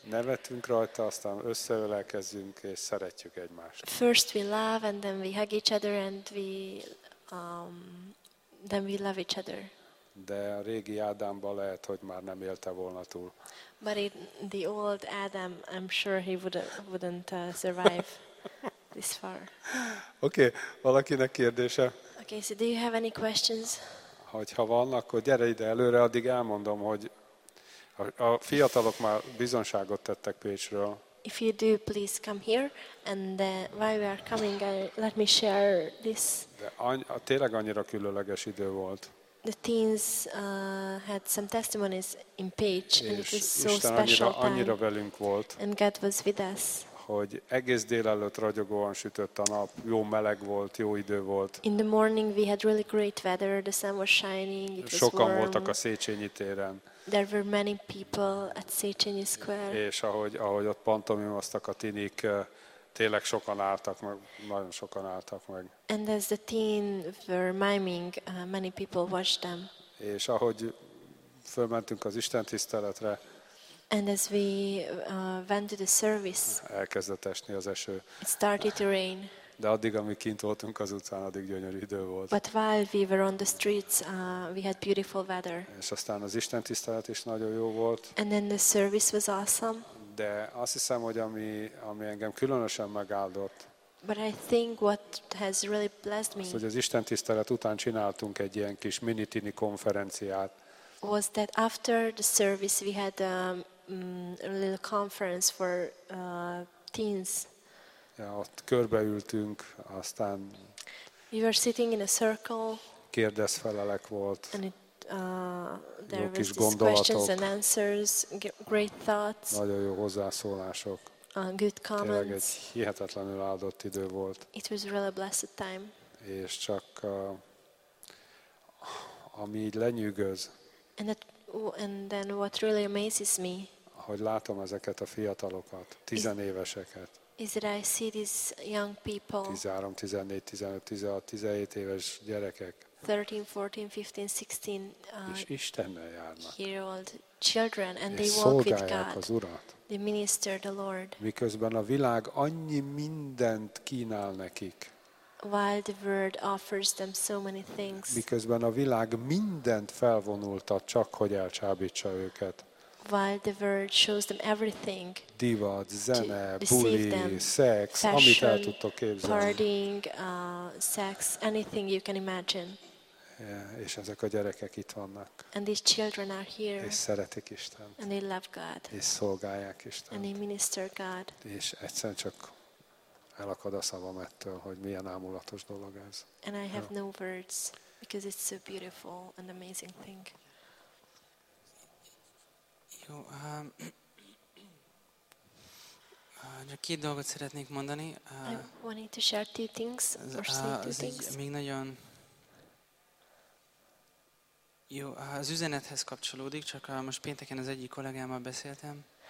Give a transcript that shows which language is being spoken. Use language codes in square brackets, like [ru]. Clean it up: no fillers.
[hu] Nevetünk rajta, aztán összeölelkezünk és szeretjük egymást. [en] First we laugh and then we hug each other and then we love each other. [hu] De a régi Ádámban lehet, hogy már nem élte volna túl. [en] But in the old Adam, I'm sure he wouldn't survive this far. [hu] Okay, valakinek kérdése? [en] Okay, so do you have any questions? [hu] Hogyha van, akkor gyere ide előre, addig elmondom, hogy a fiatalok már bizonságot tettek Pécsről. [en] If you do, please come here. And while we are coming, let me share this. [hu] De tényleg annyira különleges idő volt. [en] The teens had some testimonies in Pécs, and it was so [hu] Isten annyira, [en] time. [hu] Annyira velünk volt, [en] and God was with us. [hu] Hogy egész délelőtt ragyogóan sütött a nap, jó meleg volt, jó idő volt. [en] In the morning we had really great weather, the sun was shining, it was [hu] sokan [en] warm. [hu] Voltak a Széchenyi téren. [en] There were many people at Széchenyi Square. [hu] És ahogy ott pantomimoztak a tinik, tényleg sokan álltak meg, nagyon sokan álltak meg. [en] And as the teen were miming, many people watched them. [hu] És ahogy fölmentünk az Isten tiszteletre, [en] and as we went to the service, [hu] elkezdett esni az eső. [en] It started to rain. [hu] De addig, amíg kint voltunk az utcán, addig gyönyörű idő volt. [en] But while we were on the streets, we had beautiful weather. [hu] És aztán az Isten tisztelet is nagyon jó volt. [en] And then the service was awesome. [hu] De azt hiszem, hogy ami engem különösen megáldott. [en] But I think what has really blessed me. [hu] Hogy az Isten tisztelet után csináltunk egy ilyen kis mini tini konferenciát. [en] Was that after the service we had a little conference for teens. [hu] Ja, ott körbeültünk, aztán [en] we were sitting in a circle. [hu] Kérdezfelelek volt. [en] And there were questions and answers, great thoughts. [hu] Nagyon jó hozzászólások. [en] Good comments. [hu] Tényleg egy hihetetlenül áldott idő volt. [en] It was really a blessed time. [hu] És csak ami így lenyűgöz. [en] And then what really amazes me, [hu] hogy látom ezeket a fiatalokat, tizenéveseket. [en] Is that I see these young people. [hu] 13, 14, 15, 16, 17 éves gyerekek. [en] 13, 14, 15, 16. [hu] És Istennel járnak. [en] Year old children and they walk with God. They minister the Lord. [hu] Miközben a világ annyi mindent kínál nekik. [en] While the world offers them so many things. [hu] Miközben a világ mindent felvonultat, csak hogy elcsábítsa őket. [en] While the world shows them everything. [hu] Divat, zene, buli, sex, amit el tudtok képzelni. [en] Partying, sex, anything you can imagine. [hu] Yeah, és ezek a gyerekek itt vannak. [en] And these children are here. [hu] És szeretik Istent. [en] And they love God. [hu] És szolgálják Istent. [en] And they minister God. [hu] És egyszerűen csak elakad a szavam ettől, hogy milyen ámulatos dolog ez. [en] And I have no words because it's so beautiful and amazing thing. [hu] Jó, csak két dolgot szeretnék mondani. [en] I wanted to share two things or say two things. [hu] Még nagyon jó, az üzenethez kapcsolódik, csak most pénteken az egyik kollégámmal beszéltem.